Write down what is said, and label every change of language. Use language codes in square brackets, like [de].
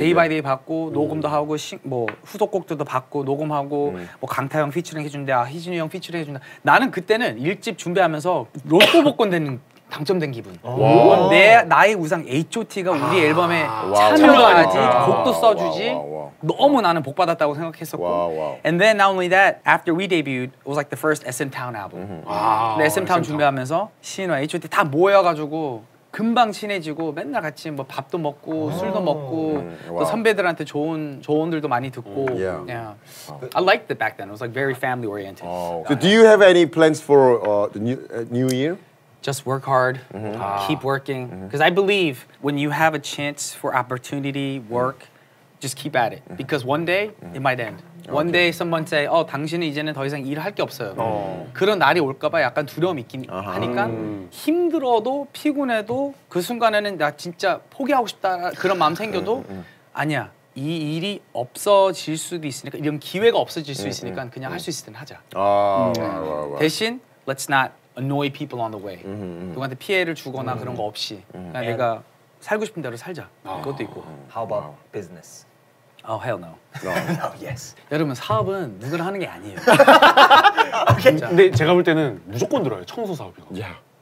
[ko] day by day 받고 녹음도 하고 뭐 후속곡들도 받고 녹음하고 뭐 강타 형 피처링 해준대, 아 희진우 형 피처링 해준다. 나는 그때는 1집 준비하면서 로또 복권되는 당첨된 기분. 내 나의 우상 HOT가 우리 앨범에 참여해야지, 곡도 써주지. 너무 나는 복 받았다고 생각했었고. [en] And then not only that, after we debuted, it was like the first SM Town album. [ko] SM Town 준비하면서 신화 HOT 다 모여가지고 금방 친해지고 맨날 같이 뭐 밥도 먹고 술도 먹고 또 선배들한테 좋은 조언들도 많이 듣고. [en] Yeah. I liked it back then. It was like very family oriented. So do you have any plans for the new year? Just work hard, keep working. Because I believe when you have a chance for opportunity, work, just keep at it. Because one day, it might end. One day, someone say, oh, [ko] 당신은 이제는 더 이상 일할 게 없어요. 그런 날이 올까 봐 약간 두려움이 있긴 하니까 힘들어도, 피곤해도 그 순간에는 나 진짜 포기하고 싶다 그런 마음 생겨도 아니야. 이 일이 없어질 수도 있으니까, 이런 기회가 없어질 수 있으니까 그냥 할 수 있을 땐 하자. [en] 대신, let's not annoy people on the way. [ko] 누구한테 피해를 주거나 그런 거 없이 그냥 and 내가 살고 싶은 대로 살자. 그것도 있고. [en] How about business? Oh, hell no. No, no yes. [ko] 여러분, 사업은 누구나 하는 게 아니에요. [en] okay. [ko] 근데 제가 볼 때는 무조건 들어요. 청소 사업이요. [en] Yeah.